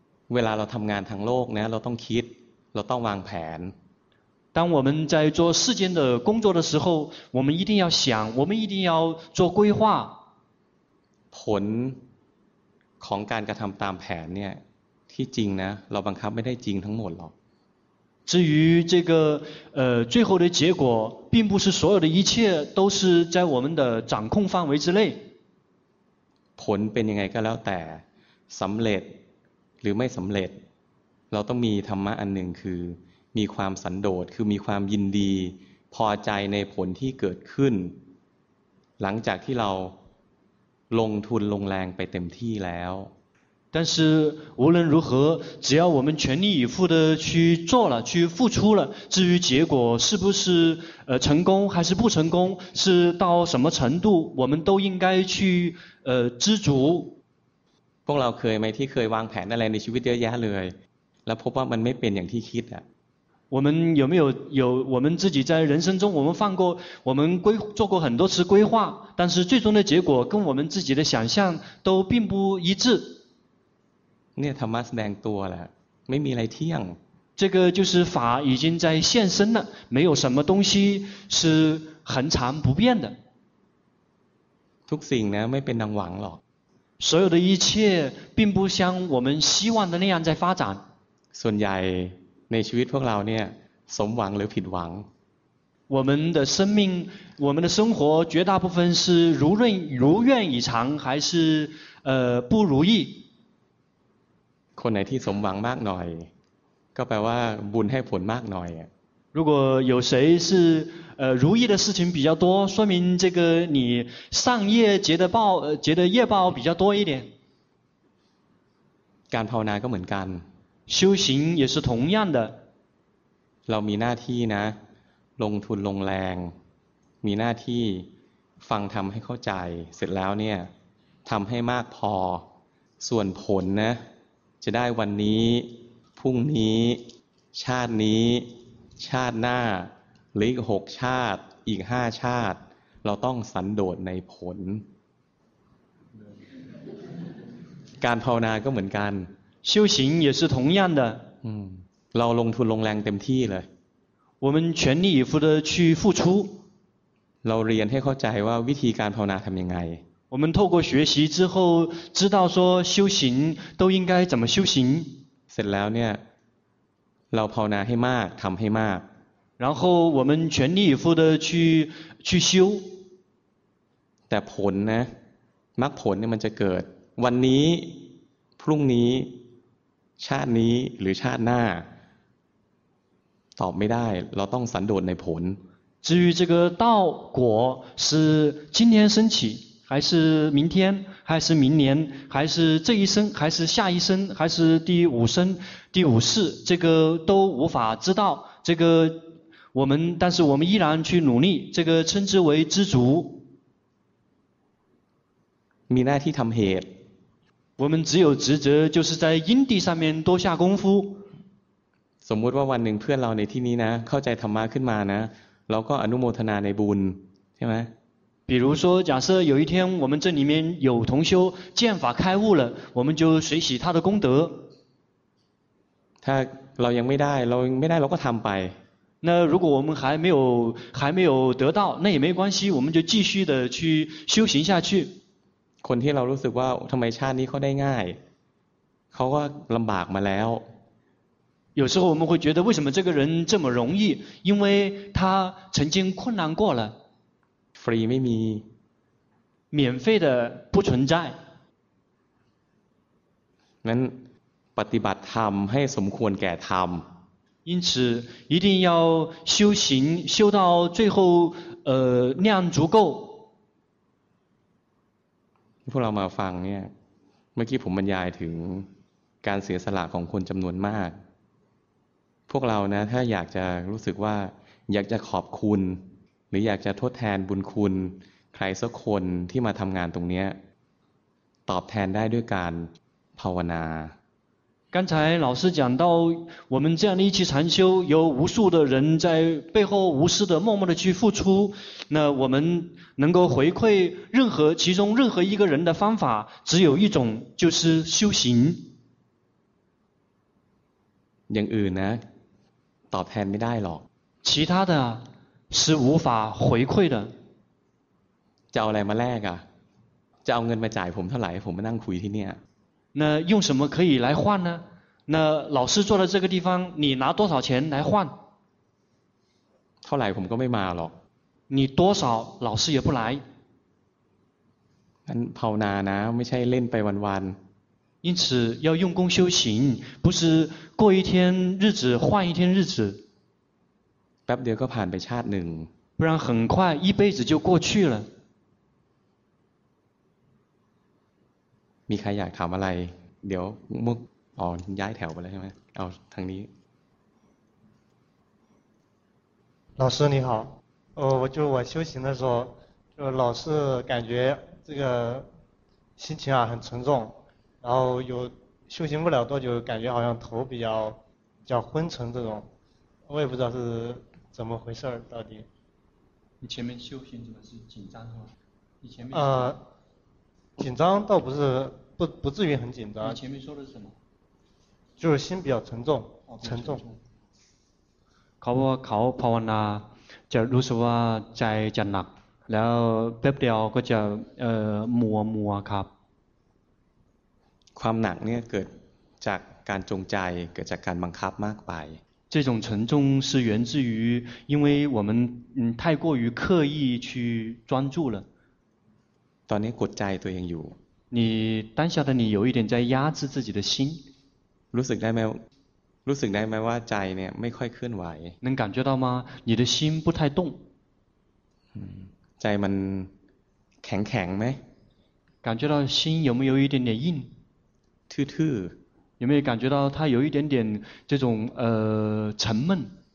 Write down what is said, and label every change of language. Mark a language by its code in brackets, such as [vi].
[th] เวลาเราทำงานทางโลกเนี่ยเราต้องคิดเราต้องวางแผน [zh] 当我们在做世间的工作的时候，我们一定要想，我们一定要做规划。 [th] ผลของการกระทำตามแผนเนี่ยที่จริงนะเราบังคับไม่ได้จริงทั้งหมดหรอก [zh] 至于这个最后的结果，并不是所有的一切都是在我们的掌控范围之内。 [th] ผลเป็นยังไงก็แล้วแต่สำเร็จหรือไม่สำเร็จเราต้องมีธรรมะอันหนึ่งคือมีความสันโดษคือมีความยินดีพอใจในผลที่เกิดขึ้นหลังจากที่เราลงทุนลงแรงไปเต็มที่แล้ว [zh] 但是无论如何，只要我们全力以赴地去做了，去付出了，至于结果是不是成功还是不成功，是到什么程度，我们都应该去知足。 [th] พวกเราเคยไหมที่เคยวางแผนอะไรในชีวิตเยอะแยะเลยแล้วพบว่ามันไม่เป็นอย่างที่คิดอ่ะ [zh] 我们有没有我们自己在人生中我们做过很多次规划，但是最终的结果跟我们自己的想象都并不一致。 [th] เนี่ยธรรมะแสดงตัวแหละไม่มีอะไรเที่ยง [zh] 这个就是法已经在现身了，没有什么东西是恒常不变的。 [th] ทุกสิ่งนะไม่เป็นดังหวังหรอก [zh] 所有的一切并不像我们希望的那样在发展。 [th] ส่วนใหญ่ในชีวิตพวกเราเนี่ยสมหวังหรือผิดหวัง [zh] 我们的生命我们的生活绝大部分是如愿以偿还是不如意 [th] คนไหนที่สมหวังมากหน่อยก็แปลว่าบุญให้ผลมากหน่อย [zh] 如果有谁是如意的事情比较多说明这个你上业结的报结的业报比较多一点 [th] การภาวนาก็เหมือนกัน [zh] 修行也是同样的 [th] เรามีหน้าที่นะลงทุนลงแรงมีหน้าที่ฟังทำให้เข้าใจเสร็จแล้วเนี่ยทำให้มากพอส่วนผลนะจะได้วันนี้พรุ่งนี้ชาตินี้ชาติหน้าหรืออีก6ชาติอีก5ชาติเราต้องสันโดษในผล การภาวนาก็เหมือนกัน [zh] 修行也是同样的 [th] เราลงทุนลงแรงเต็มที่เลย [zh] 我们全力以赴的去付出 [th] เราเรียนให้เข้าใจว่าวิธีการภาวนาทำยังไง [zh] 我们透过学习之后知道说修行都应该怎么修行 [th] เสร็จแล้วเนี่ยเราภาวนาให้มากทำให้มาก [zh] 然后我们全力以赴的去修 [th] แต่ผลนะมรรคผลเนี่ยมันจะเกิดวันนี้พรุ่งนี้ชาตินี้หรือชาติหน้าตอบไม่ได้เราต้องสันโดษในผล [zh] 至于这个道果是今天升起还是明天还是明年还是这一生还是下一生还是第五生第五世这个都无法知道这个我们但是我们依然去努力这个称之为知足 [th] มีหน้าที่ทำเหตุ [zh] 我们只有职责就是在因地上面多下功夫 [th] สมมติว่าวันหนึ่งเพื่อนเราในที่นี้นะเข้าใจธรรมะขึ้นมานะเราก็อนุโมทนาในบุญใช่ไหม [zh] 比如说假设有一天我们这里面有同修见法开悟了我们就随喜他的功德 [th] 他เรายังไม่ได้เราไม่ได้เราก็ทำไป [zh] 那如果我们还没有得到那也没关系我们就继续的去修行下去 [th] คนที่เรารู้สึกว่าทำไมชาตินี้เขาได้ง่ายเขาก็ลำบากมาแล้ว [zh] 有时候我们会觉得为什么这个人这么容易因为他曾经困难过了 [th] free ไม่มี [zh] 免费的不存在 [th] นั้นปฏิบัติธรรมให้สมควรแก่ธรรม [zh] 因此一定要修行修到最后量足够 [th] พวกเรามาฟังเนี่ยเมื่อกี้ผมบรรยายถึงการเสียสละของคนจำนวนมาก พวกเรานะถ้าอยากจะรู้สึกว่าอยากจะขอบคุณหรืออยากจะทดแทนบุญคุณใครสักคนที่มาทำงานตรงนี้ตอบแทนได้ด้วยการภาวนา [zh] 刚才老师讲到我们这样的一起禅修有无数的人在背后无私的默默的去付出那我们能够回馈任何其中任何一个人的方法只有一种就是修行 [th] อย่างอื่นนะตอบแทนไม่ได้หรอก [zh] 其他的是无法回馈的 [th] จะเอาอะไรมาแลกอ่ะจะเอาเงินมาจ่ายผมเท่าไหร่ผมมานั่งคุยที่เนี่ย [zh] 那用什么可以来换呢那老师坐在这个地方你拿多少钱来换 [th] เท่าไหร่ผมก็ไม่มาหรอก [zh] 你多少老师也不来 [th] นั้นภาวนานะไม่ใช่เล่นไปวันๆ [zh] 因此要用功修行不是过一天日子换一天日子 [th] แป๊บเดียวก็ผ่านไปชาติหนึ่ง [zh] 不然很快一辈子就过去了 [th] มีใครอยากถามอะไรเดี๋ยวมุกอ๋อย้ายแถวไปแล้วใช่ไหมเอาทางนี้ [zh] 老师你好我修行的时候就老是感觉这个心情啊很沉重然后有修行不了多久感觉好像头比较昏沉这种我也不知道是怎么回事到底你前面修行怎么是紧张是吗你前面紧张倒不是不至于很紧张你前面说的是什么就是心比较沉重、哦、沉重 [th] เขาภาวนาจะรู้สึกว่าใจจะหนักแล้วแป๊บเดียวก็จะมัวครับ ความหนักเนี่ยเกิดจากการจงใจเกิดจากการบังคับมากไป [zh] 这种沉重是源自于因为我们太过于刻意去专注了 [th] ตอนนี้กดใจตัวเองอยู่ [zh] 你当下的你有一点在压制自己的心 [th] รู้สึกได้ไหมว่าใจเนี่ยไม่ค่อยเคลื่อนไหว [zh] 能感觉到吗你的心不太动 [th] ใจมันแข็งๆไหม [zh] 感觉到心有没有一点点硬 [th] ทื่อ [zh] 有没有感觉到它有一点点这种沉闷